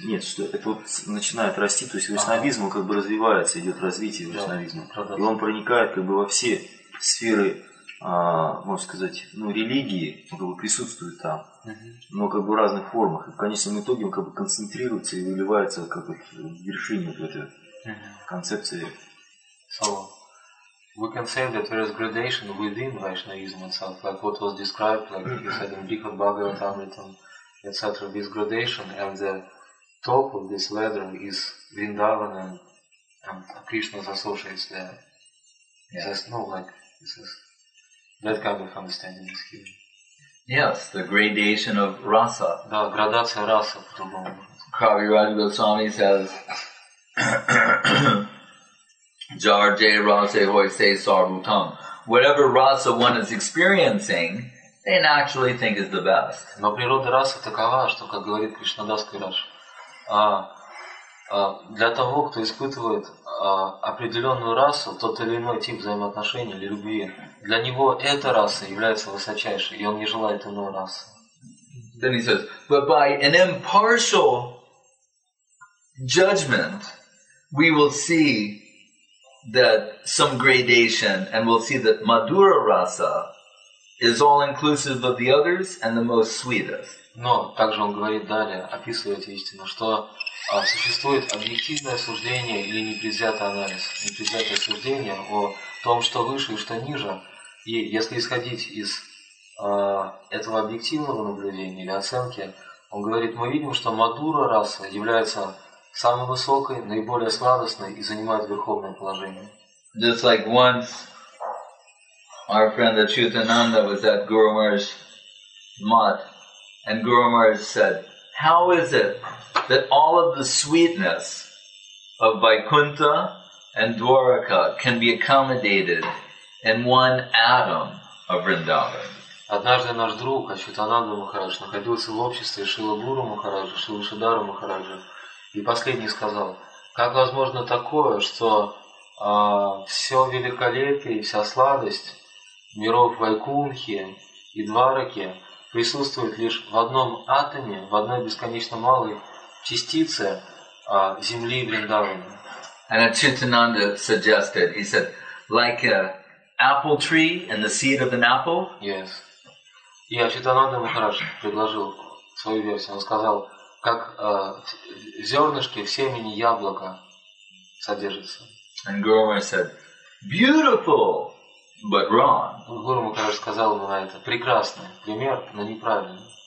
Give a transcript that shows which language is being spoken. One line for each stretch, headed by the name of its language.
Russian: Нет, что это вот начинает расти, то есть вайшнавизм как бы развивается, идет развитие вайшнавизма, и он проникает как бы во все сферы, можно сказать, ну, религии, он как бы присутствует там. Но как бы в разных формах. И в конечном итоге он как бы концентрируется и выливается как бы в вершине вот этой концепции.
English: So, we can say that there is gradation within Vaishnavism itself, like what was described, like you said in Bhikkhu Bhagavatamrita, etc. This gradation and the top of this ladder is Vrindavan and Krishna's associates there. Yeah. There's no, like, this is that kind of understanding is here. Yes, the gradation of rasa.
Russian: Да, градация расы по-другому.
English: Kavi Raja Goswami says,
Bangla: "Jarje rase hoise sarvutam."
English: Whatever rasa one is experiencing, they naturally think is the best.
Russian: Но природа расы такова, что, как говорит Кришнадас Кайраш, для того, кто испытывает определенную расу, тот или иной тип взаимоотношений или любви, для него эта раса является высочайшей, и он не желает иной расы.
English: Then he says, but by an impartial judgment, we will see that some gradation, and we'll see that Madhura rasa is all inclusive of the others and the most sweetest.
Russian: Но также он говорит далее, описывая эти истины, что существует объективное суждение или непредвзятый анализ, непредвзятое суждение о том, что выше и что ниже. И если исходить из этого объективного наблюдения или оценки, он говорит, мы видим, что Мадура раса является самой высокой, наиболее сладостной и занимает верховное положение.
English: Just like once our friend Achyutananda was at Guru Maharaj's mat, and Guru Maharaj said, how is it that all of the sweetness of Vaikuntha and Dwaraka can be accommodated in one atom of Vrindavan?
Russian: Однажды наш друг Ачютананда Махарадж находился в обществе Шрилы Гуру Махараджа, Шрилы Шридхара Махараджа, и последний сказал, как возможно такое, что все великолепие и вся сладость миров Вайкунхи и Двараки присутствует лишь в одном атоме, в одной бесконечно малой частице земли Вриндавана.
English: And Achyutananda suggested, he said, like an apple tree and the seed of an apple. Yes.
Russian: И Ачютананда Махарадж предложил свою версию. Он сказал, как зернышки в семени яблока содержится.
English: And Guru Maharaj said, beautiful, but wrong.
Russian: Гуру Махарадж сказал ему на это, прекрасный пример, но неправильный.